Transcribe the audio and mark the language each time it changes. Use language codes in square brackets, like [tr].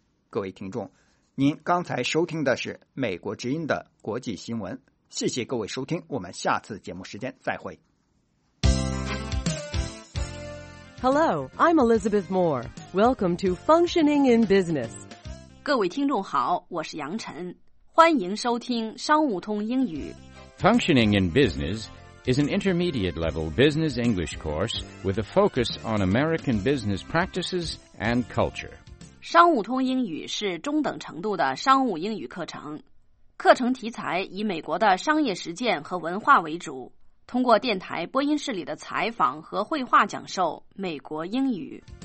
[zh] 各位听众，您刚才收听的是美国之音的国际新闻，谢谢各位收听，我们下次节目时间再会。 [en] Hello, I'm Elizabeth Moore. Welcome to Functioning in Business. [zh] 各位听众好，我是杨晨，欢迎收听商务通英语。 [en] Functioning in Business is an intermediate level business English course with a focus on American business practices and culture. [zh] 商务通英语是中等程度的商务英语课程，课程题材以美国的商业实践和文化为主，通过电台播音室里的采访和绘画讲授美国英语。